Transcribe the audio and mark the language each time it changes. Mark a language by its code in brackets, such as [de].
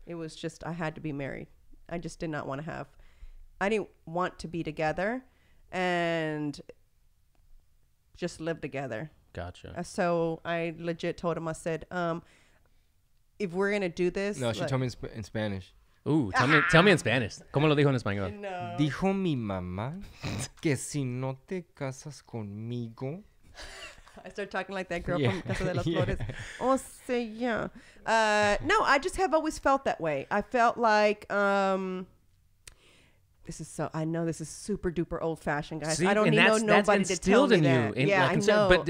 [en] It was just, I had to be married. I just did not want to have, I didn't want to be together and just live together. Gotcha. So I legit told him, I said, if we're going to do this. No, she told me in Spanish. Ooh, tell me in Spanish. [es] ¿Cómo lo dijo en español? [en] No. [es] Dijo mi mamá que si no te casas conmigo. [en] I started talking like that girl from Casa de las Flores. Oh, say, yeah. No, I just have always felt that way. I felt like This is so, I know this is super duper old fashioned, guys. See, I don't need nobody to tell me you that. Yeah, like, I know. But